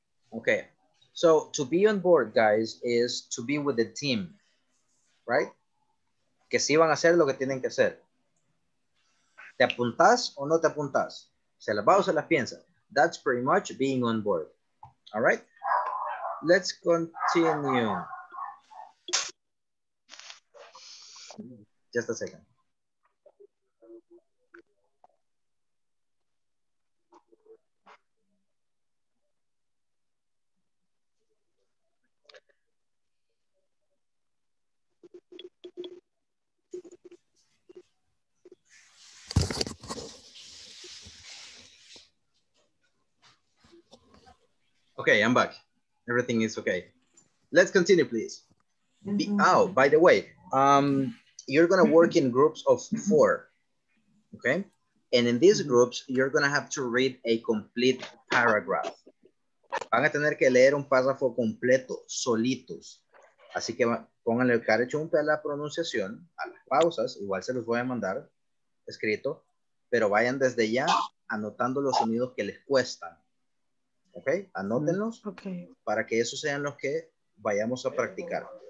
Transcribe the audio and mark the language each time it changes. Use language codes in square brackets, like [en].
[en] Okay, so to be on board, guys, is to be with the team, right? [es] Que si van a hacer lo que tienen que hacer. ¿Te apuntas o no te apuntas? ¿Se las va o se las piensa? [en] That's pretty much being on board. All right? Let's continue. Just a second. Okay, I'm back. Everything is okay. Let's continue, please. Oh, by the way, you're gonna work in groups of four, okay? And in these groups, you're gonna have to read a complete paragraph. [es] Van a tener que leer un párrafo completo, solitos. Así que pónganle el carechumpe a la pronunciación, a las pausas, igual se los voy a mandar escrito, pero vayan desde ya anotando los sonidos que les cuestan. Ok, anótenlos para que esos sean los que vayamos a practicar.